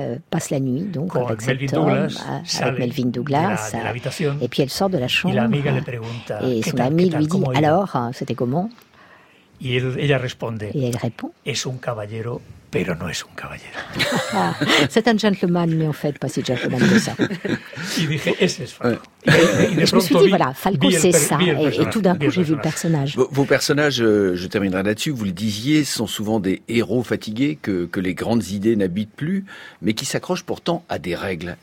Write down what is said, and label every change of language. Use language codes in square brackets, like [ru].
[fr] passe la nuit donc avec cet homme, avec Melvin Douglas, et puis elle sort de la chambre. Et son ami lui dit, alors, c'était comment ? Et elle répond, [es] es un caballero, pero no es un caballero. [fr] C'est un gentleman, mais en fait, pas si gentleman que ça. [es] Et dije, ese es Falco. [fr] Et je me suis dit, voilà, Falco, c'est ça. Et tout d'un coup, j'ai vu le personnage. Vos personnages, je terminerai là-dessus, vous le disiez, sont souvent des héros fatigués que les grandes idées n'habitent plus, mais qui s'accrochent pourtant à des règles.